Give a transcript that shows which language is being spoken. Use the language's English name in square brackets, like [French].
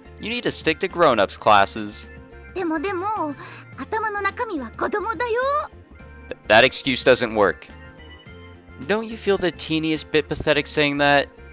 [English] You need to stick to grown-ups classes. [Japanese] でも、頭の中身は子供だよ! [English] That excuse doesn't work. Don't you feel the teeniest bit pathetic saying that?